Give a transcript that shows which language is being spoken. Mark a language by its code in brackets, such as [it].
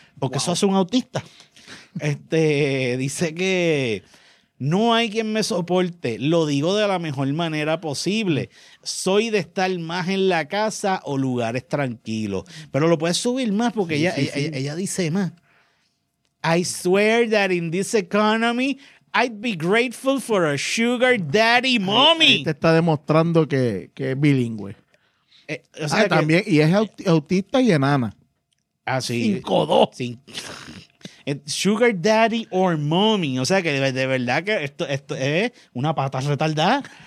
[es] Porque wow. Eso hace un autista. Dice que... No hay quien me soporte, lo digo de la mejor manera posible. Soy de estar más en la casa o lugares tranquilos. Pero lo puedes subir más porque ella dice más. [en] I swear that in this economy, I'd be grateful for a sugar daddy mommy. [es] Ahí te está demostrando que es bilingüe. También, y es autista y enana. Ah, sí. [en] 5'2". Sugar daddy or mommy. [es] O sea que de verdad que esto es una pata retardada.